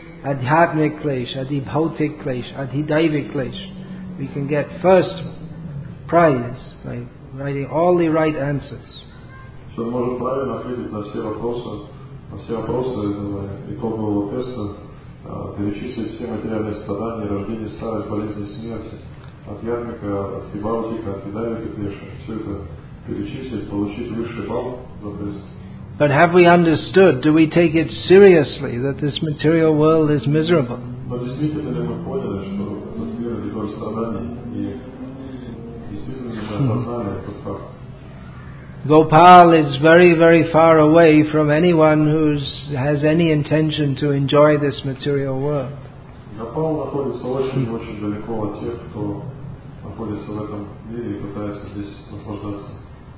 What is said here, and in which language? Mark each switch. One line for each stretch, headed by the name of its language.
Sanskrit: Adhyatmik klesh, adhibhautik klesh, adhidaivik klesh.
English: We can get first prize by writing all the right answers.
Russian: Перечислить все материальные страдания, рождение, старость, болезни, смерти, от ярмика, от фибаутика, от фидавика, пеша. Все это перечислить, получить высший балл за тест.
English: But have we understood, do we take it seriously, that this material world is miserable?
Russian: Но действительно ли мы поняли, что этот мир – это страдание, и действительно ли мы осознали этот факт?
English: Gopal is very, very far away from anyone who has any intention to enjoy this material world.
Russian: Gopal находится очень-очень далеко от тех, кто находится в этом мире и пытается здесь наслаждаться.